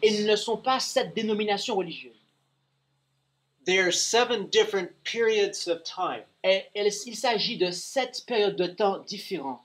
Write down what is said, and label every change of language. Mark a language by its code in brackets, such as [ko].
[fr] Ils ne sont pas sept dénominations religieuses. [en] They're seven different periods of time. [fr] Il s'agit de sept périodes de temps différents.